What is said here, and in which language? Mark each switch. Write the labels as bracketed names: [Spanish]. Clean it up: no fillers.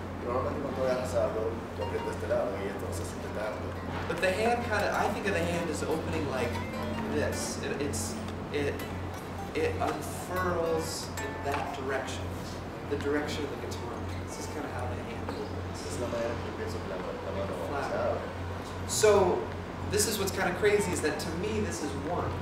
[English] But the hand kind of, I think of the hand as opening like this. It it unfurls in that direction, the direction of the guitar. This is kind of how the hand opens. [Spanish] Es la manera que empieza la mano a usar. [English] So, this is what's kind of crazy, is that to me, this is one.